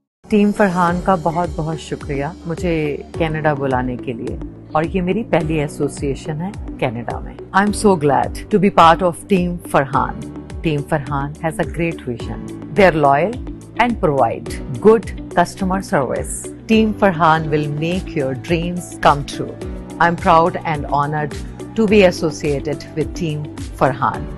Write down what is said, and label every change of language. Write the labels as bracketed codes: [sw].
[ur] Team Farhan کا بہت بہت شکریہ مجھے کینیڈا بلانے کے لیے, اور یہ میری پہلی ایسوسیشن ہے کینیڈا میں. [en] I'm so glad to be part of team Farhan. Team Farhan has a great vision. They are loyal and provide good customer service. Team Farhan will make your dreams come true. I'm proud and honoured to be associated with team Farhan.